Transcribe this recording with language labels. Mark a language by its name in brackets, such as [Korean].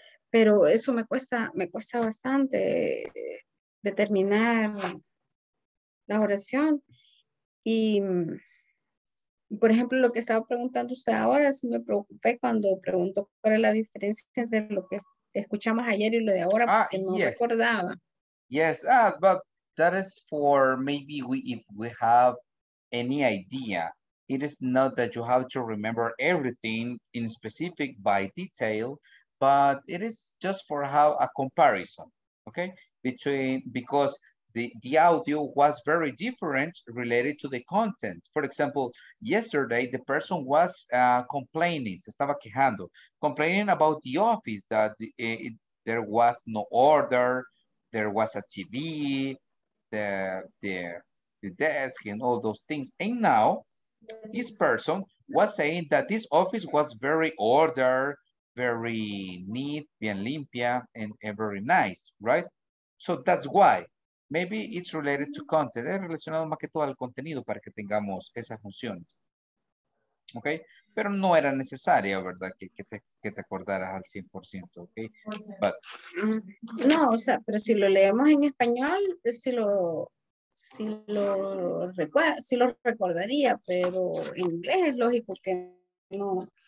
[Spanish] Pero eso me cuesta bastante determinar la oración. Y, por ejemplo, lo que estaba preguntando usted ahora, sí me preocupé cuando preguntó cuál es la diferencia entre lo que escuchamos ayer y lo de ahora, porque no recordaba. [English] Yes, but that is for maybe if we have any idea. It is not that you have to remember everything in specific by detail, but it is just for how a comparison, okay? Between, because the audio was very different related to the content. For example, yesterday the person was complaining, [Spanish] se estaba quejando, [English] complaining about the office that there was no order, there was a TV, the desk and all those things. And now this person was saying that this office was very ordered, very neat, [Spanish] bien limpia, [English] and very nice, right? So that's why. Maybe it's related to content. [Spanish] Es relacionado más que todo al contenido para que tengamos esas funciones. Okay? Pero no era necesaria, ¿verdad? Que te acordaras al 100%, okay? [English] But. [Spanish] No, o sea, pero si lo leemos en español, si lo recordaría, pero en inglés es lógico que no.